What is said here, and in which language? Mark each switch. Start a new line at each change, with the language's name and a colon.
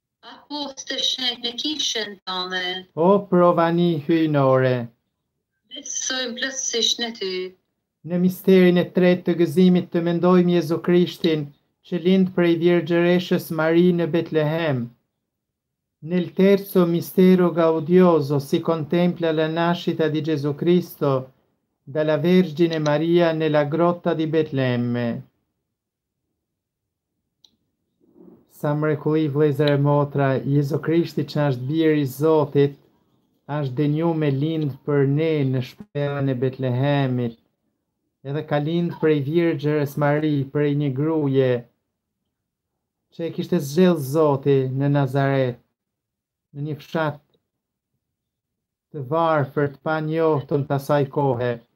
Albanian: Apostë të shenjtë në kishën tënde. O provani hyjnore, Besojmë plotësisht në ty. në misterin e tretë të gëzimit të mendojmë Jezu Krishtin, që lind prej Virgjëreshës Mari në Betlehem.
Italian: Nel terzo mistero gaudioso si contempla la nascita di Gesù Cristo dalla Vergine Maria nella grotta di Betlemme.
Albanian: Sa mrekulli vëllezër e motra, Jezu Krishti që është biri i Zotit, është dënjuar me lindë për ne në shpellën e Betlehemit. Edhe ka lindë prej Virgjërës Mari, prej një gruaje që e kishte zgjedhë Zoti në Nazaret, në një fshat të varfër, të panjohtëm të asaj kohe.